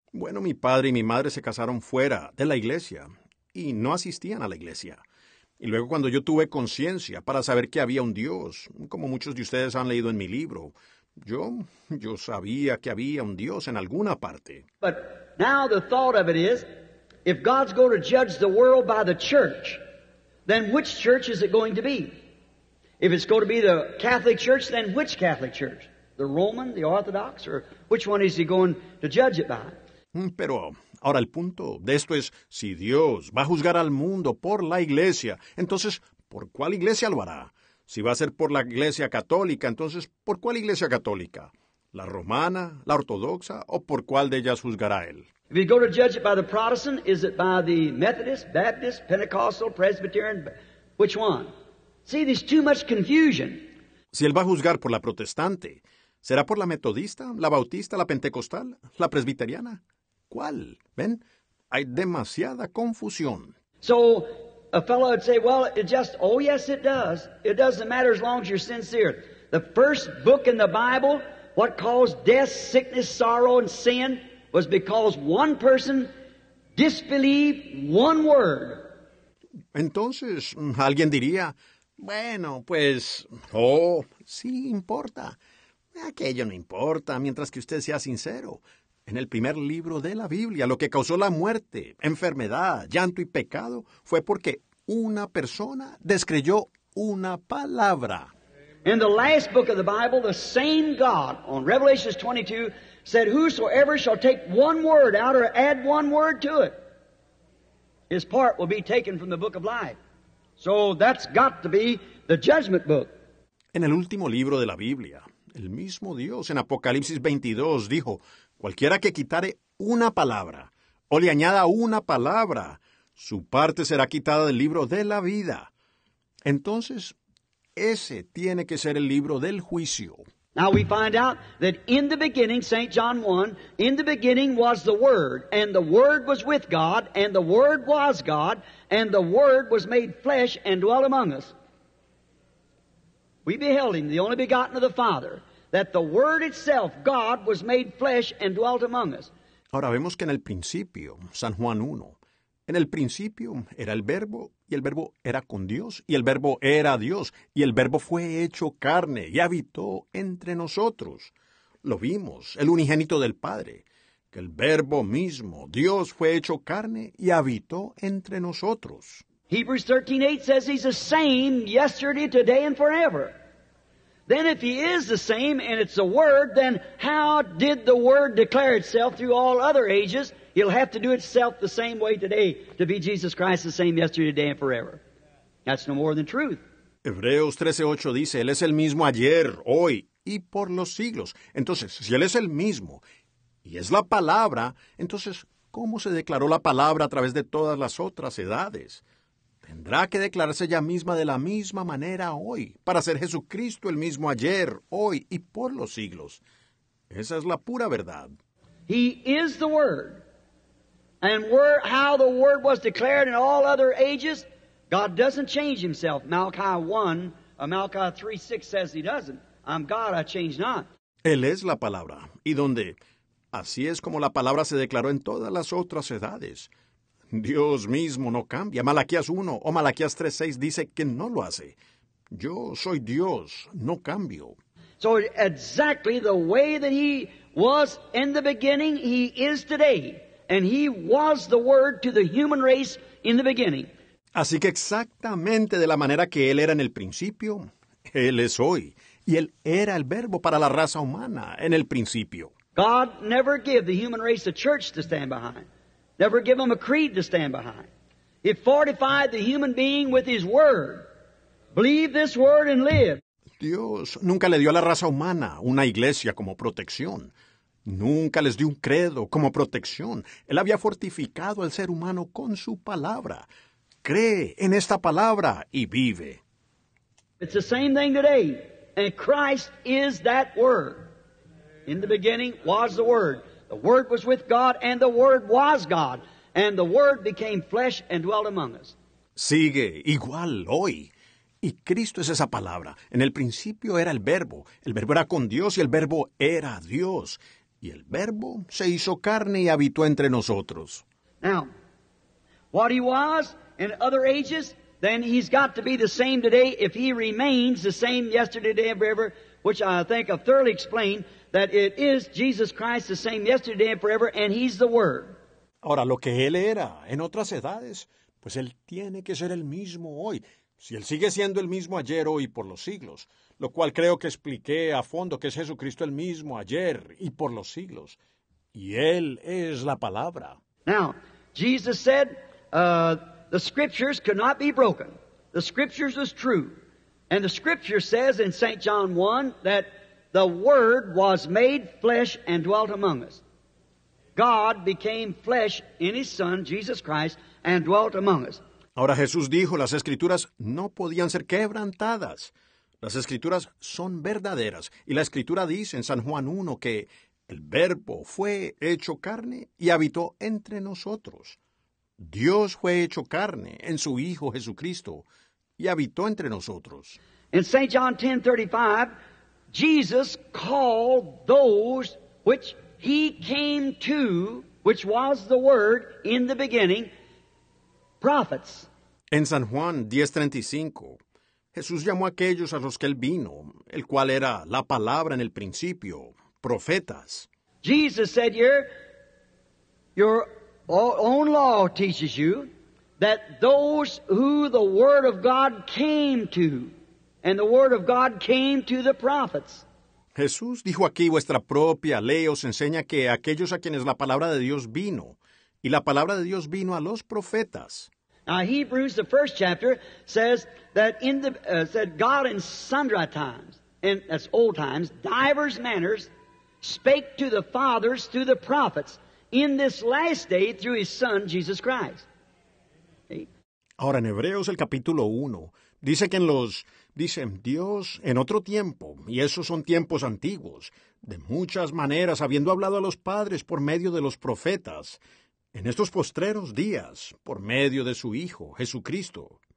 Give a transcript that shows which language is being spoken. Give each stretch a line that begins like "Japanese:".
Spanish: Bueno, mi padre y mi madre se casaron fuera de la iglesia y no asistían a la iglesia. Y luego cuando yo tuve conciencia para saber que había un Dios, como muchos de ustedes han leído en mi libro, yo sabía que había un Dios en alguna parte.
English: But now the thought of it is, if God's going to judge the world by the church, then which church is it going to be? If it's going to be the Catholic Church, then which Catholic Church? The Roman, the Orthodox, or which one is he going to judge it by?
Spanish: Pero ahora el punto de esto es, si Dios va a juzgar al mundo por la iglesia, entonces, ¿por cuál iglesia lo hará? Si va a ser por la iglesia católica, entonces, ¿por cuál iglesia católica? ¿La romana, la ortodoxa, o por cuál de ellas juzgará él?
English: If you go to judge it by the Protestant, is it by the Methodist, Baptist, Pentecostal, Presbyterian, which one? See, there's too much confusion.
Spanish: Si él va a juzgar por la protestante, ¿será por la metodista, la bautista, la pentecostal, la presbiteriana? ¿Cuál? ¿Ven? Hay demasiada confusión.
English: So, a fellow would say, well, it just, oh yes, it does. It doesn't matter as long as you're sincere. The first book in the Bible, what caused death, sickness, sorrow, and sin, was because one person disbelieved one word.
Spanish: Entonces, alguien diría, bueno, pues, oh, sí importa. Aquello no importa, mientras que usted sea sincero. En el primer libro de la Biblia, lo que causó la muerte, enfermedad, llanto y pecado, fue porque una persona descreyó una palabra.
English: In the last book of the Bible, the same God, on Revelation 22, said, whosoever shall take one word out or add one word to it, his part will be taken from the book of life. So that's got to be the judgment book.
Spanish: En el último libro de la Biblia, el mismo Dios en Apocalipsis 22 dijo, cualquiera que quitare una palabra o le añada una palabra, su parte será quitada del libro de la vida. Entonces, ese tiene que ser el libro del juicio.
English: Now we find out that in the beginning, St. John 1, in the beginning was the Word, and the Word was with God, and the Word was God, and the Word was made flesh and dwelt among us. We beheld Him, the only begotten of the Father, that the Word itself, God, was made flesh and dwelt among us.
Spanish: Ahora vemos que en el principio, San Juan 1, en el principio era el Verbo, y el Verbo era con Dios, y el Verbo era Dios, y el Verbo fue hecho carne y habitó entre nosotros. Lo vimos, el unigénito del Padre, que el Verbo mismo, Dios, fue hecho carne y habitó entre nosotros.
English: Hebrews 13:8 says He's the same yesterday, today, and forever. Then if He is the same and it's the Word, then how did the Word declare itself through all other ages? He'll have to do itself the same way today to be Jesus Christ, the same yesterday, today, and forever. That's no more than truth.
Spanish: Hebreos 13:8 dice, Él es el mismo ayer, hoy y por los siglos. Entonces, si Él es el mismo y es la Palabra, entonces, ¿cómo se declaró la Palabra a través de todas las otras edades? Tendrá que declararse ella misma de la misma manera hoy, para ser Jesucristo el mismo ayer, hoy y por los siglos. Esa es la pura verdad.
English: He is the Word. And how the Word was declared in all other ages, God doesn't change Himself. Malachi 1, Malachi 3:6 says He doesn't. I'm God, I change not.
Spanish: Él es la Palabra. Y donde así es como la Palabra se declaró en todas las otras edades. Dios mismo no cambia. Malaquías 1 o Malaquías 3:6 dice que no lo hace. Yo soy Dios, no cambio.
English: So exactly the way that He was in the beginning, He is today. And He was the Word to the human race in the beginning.
Spanish: Así que exactamente de la manera que Él era en el principio, Él es hoy. Y Él era el Verbo para la raza humana en el principio.
English: God never gave the human race a church to stand behind. Never give them a creed to stand behind. It fortified the human being with His Word. Believe this Word and live.
Spanish: Dios nunca le dio a la raza humana una iglesia como protección. Nunca les dio un credo como protección. Él había fortificado al ser humano con su palabra. Cree en esta palabra y vive.
English: It's the same thing today. And Christ is that Word. In the beginning was the Word. The Word was with God, and the Word was God. And the Word became flesh and dwelt among us.
Spanish: Sigue igual hoy. Y Cristo es esa palabra. En el principio era el verbo era con Dios y el verbo era Dios. Y el verbo se hizo carne y habitó entre nosotros.
English: Now, what he was in other ages, then he's got to be the same today if he remains the same yesterday, today, and forever, which I think I've thoroughly explained that it is Jesus Christ the same yesterday and forever, and he's the Word.
Spanish: Ahora, lo que él era en otras edades, pues él tiene que ser el mismo hoy. Si él sigue siendo el mismo ayer, hoy y por los siglos, lo cual creo que expliqué a fondo que es Jesucristo el mismo ayer y por los siglos. Y él es la palabra.
English: Now, Jesus said, the scriptures could not be broken. The scriptures is true. And the scripture says in St. John 1 that the Word was made flesh and dwelt among us. God became flesh in his Son, Jesus Christ, and dwelt among us.
Spanish: Ahora Jesús dijo, las escrituras no podían ser quebrantadas. Las escrituras son verdaderas. Y la escritura dice en San Juan 1 que el verbo fue hecho carne y habitó entre nosotros. Dios fue hecho carne en su Hijo Jesucristo y habitó entre nosotros.
English: In St. John 10:35, Jesus called those which he came to, which was the Word in the beginning, prophets.
Spanish: En San Juan 10:35, Jesús llamó a aquellos a los que él vino, el cual era la palabra en el principio, profetas.
English: Jesus said here, your own law teaches you that those who the Word of God came to, and the Word of God came to the prophets.
Spanish: Jesús dijo aquí, vuestra propia ley os enseña que aquellos a quienes la palabra de Dios vino, y la palabra de Dios vino a los profetas.
English: Now, Hebrews, the first chapter, says that in the, said God in sundry times, and that's old times, divers manners, spake to the fathers through the prophets, in this last day through his Son, Jesus Christ. Okay.
Spanish: Ahora, en Hebreos, el capítulo 1, dice que en los, dicen, Dios, en otro tiempo, y esos son tiempos antiguos, de muchas maneras, habiendo hablado a los padres por medio de los profetas, en estos postreros días, por medio de su Hijo, Jesucristo.